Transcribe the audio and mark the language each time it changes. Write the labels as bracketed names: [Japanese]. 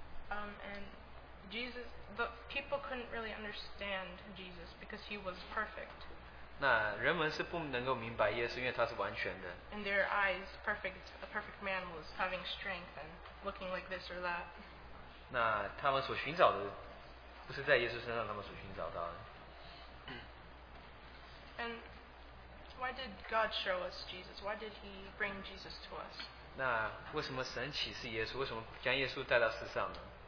[English] And Jesus, but people couldn't really understand Jesus because he was perfect. [Chinese] 那人们是不能够明白耶稣，因为他是完全的。 [English] In their eyes, a perfect man was having strength and looking like this or that. [Chinese] 那他们所寻找的不是在耶稣身上，他们所寻找到的。 [English] And why did God show us Jesus? Why did He bring Jesus to us? [Chinese] 那为什么神启示耶稣？为什么将耶稣带到世上呢？